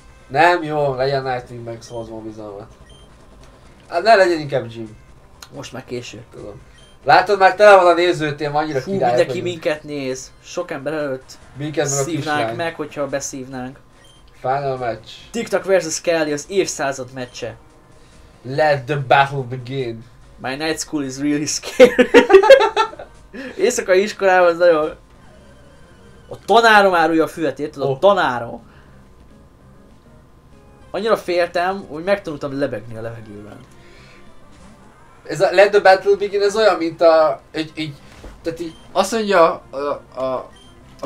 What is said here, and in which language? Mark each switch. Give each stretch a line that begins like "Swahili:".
Hungarian: Nem, jó, legyen Nightwing, meg szavazom a bizalmat. Hát ne legyen inkább Jean. Most már késő. Tudom. Látod, már tele van a nézőtém, annyira király vagyunk. Mindenki minket néz. Sok ember előtt szívnánk meg, hogyha beszívnánk.
English: Final match. TikTok vs.
Hungarian: Kelly, az évszázad meccse.
English: Let the battle begin. My night school is really scary.
Hungarian: Éjszakai iskolában az nagyon... A tanárom árulja a füvet, érted? Oh. A tanárom. Annyira féltem, hogy megtanultam lebegni a levegőben. Ez a
English: Let the Battle Begin,
Hungarian: ez olyan, mint a... Egy, tehát így azt mondja a